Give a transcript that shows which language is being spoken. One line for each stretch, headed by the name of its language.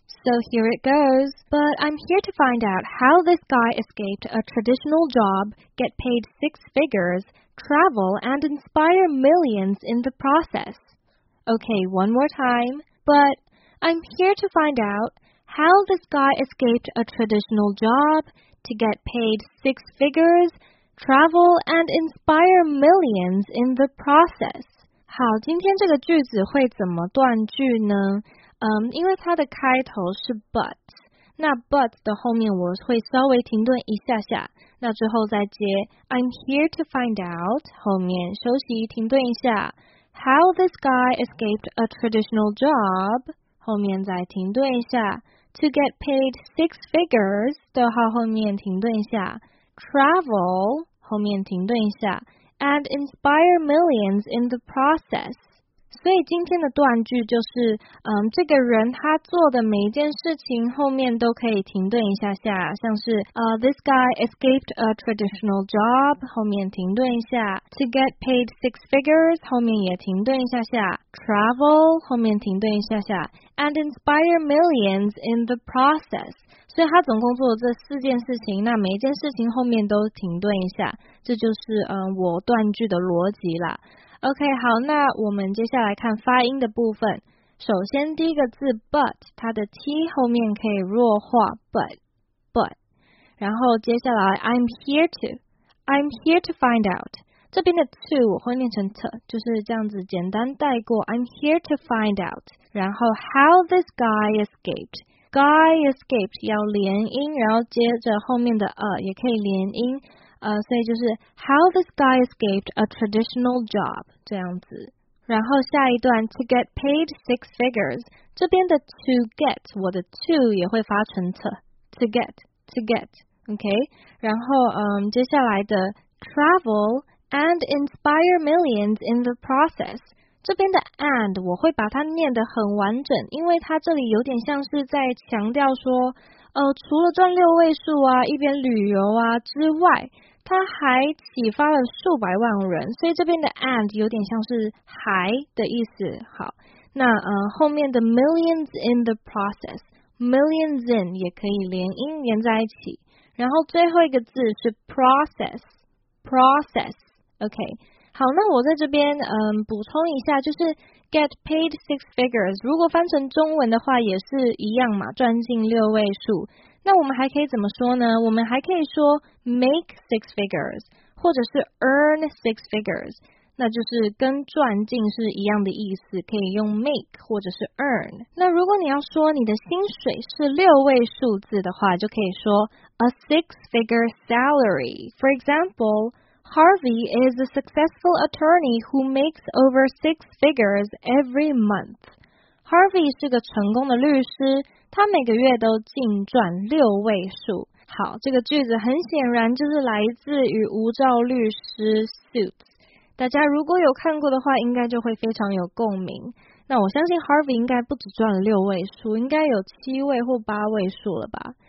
English: So here it goes. But I'm here to find out how this guy escaped a traditional job, get paid six figures, travel, and inspire millions in the process. Okay, one more time. But I'm here to find out how this guy escaped a traditional job to get paid six figures, travel, and inspire millions in the process.
Chinese: 好，今天这个句子会怎么断句呢？因为它的开头是 but， 那 but 的后面我会稍微停顿一下下，那之后再接
English: I'm here to find out，
Chinese: 后面休息停顿一下 ，
English: how this guy escaped a traditional job。
Chinese: 后面再停顿一下 ，
English: to get paid six figures，
Chinese: 逗号后面停顿一下 ，travel 后面停顿一下 ，
English: and inspire millions in the process。
Chinese: 所以今天的断句就是，这个人他做的每一件事情后面都可以停顿一下下，像是
English: this guy escaped a traditional job，
Chinese: 后面停顿一下 ，
English: to get paid six figures，
Chinese: 后面也停顿一下下 ，travel， 后面停顿一下下 ，
English: and inspire millions in the process。
Chinese: 所以他总共做了这四件事情，那每一件事情后面都停顿一下，这就是我断句的逻辑啦。 OK， 好，那我们接下来看发音的部分。首先第一个字 but， 它的 t 后面可以弱化 but， 然后接下来
English: I'm here to find out，
Chinese: 这边的 to 我会念成 t， 就是这样子简单带过 I'm here to find out， 然后
English: how this guy escaped， sky escaped
Chinese: 要连音，然后接着后面的也可以连音，所以就是
English: how the sky escaped a traditional job
Chinese: 这样子。然后下一段
English: to get paid six figures，
Chinese: 这边的
English: to get
Chinese: 我的 to 也会发成 to get， OK。然后接下来的
English: travel and inspire millions in the process。
Chinese: 这边的 and 我会把它念得很完整，因为它这里有点像是在强调说，除了赚六位数啊，一边旅游啊之外，它还启发了数百万人，所以这边的 and 有点像是还的意思。好，那后面的
English: millions in the process， millions in
Chinese: 也可以连音连在一起，然后最后一个字是 process， OK。好，那我在这边补充一下，就是
English: get paid six figures，
Chinese: 如果翻成中文的话也是一样嘛，赚进六位数。那我们还可以怎么说呢？我们还可以说
English: make six figures，
Chinese: 或者是
English: earn six figures，
Chinese: 那就是跟赚进是一样的意思，可以用 make 或者是 earn。那如果你要说你的薪水是六位数字的话，就可以说
English: a six figure salary。 For example，Harvey is a successful attorney who makes over six figures every month.
Chinese: Harvey 是个成功的律师，他每个月都净赚六位数。好，这个句子很显然就是来自于《无照律师 Suits》。大家如果有看过的话，应该就会非常有共鸣。那我相信 Harvey 应该不只赚了六位数，应该有七位或八位数了吧。